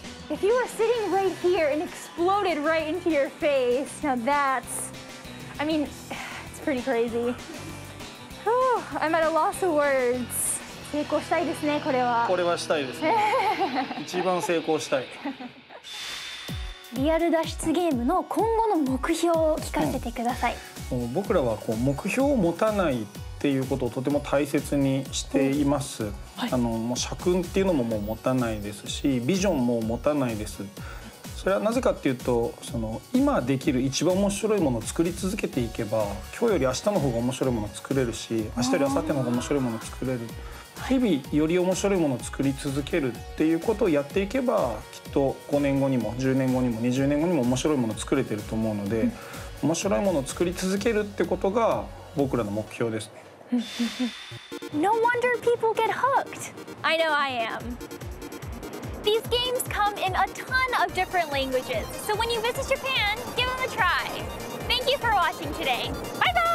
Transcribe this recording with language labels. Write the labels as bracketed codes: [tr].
[en] if you were sitting right here and exploded right into your face, now that's, I mean, it's pretty crazy. Whew, I'm at a loss of words. [ja] 成功したいですね、これは。これはしたいですね。一番成功したい。リアル脱出ゲームの今後の目標を聞かせてください。うん、僕らはこう目標を持たないっていうことをとても大切にしています。うん、はい、あのもう社訓っていうのももう持たないですし、ビジョンも持たないです。それはなぜかっていうと、その今できる一番面白いものを作り続けていけば、今日より明日の方が面白いものを作れるし、明日より明後日の方が面白いものを作れる。日々より面白いものを作り続けるっていうことをやっていけば、きっと5年後にも10年後にも20年後にも面白いものを作れてると思うので、うん、面白いものを作り続けるってことが僕らの目標ですね。 [en] No wonder people get hooked. I know I am. These games come in a ton of different languages. So when you visit Japan, give them a try. Thank you for watching today. Bye!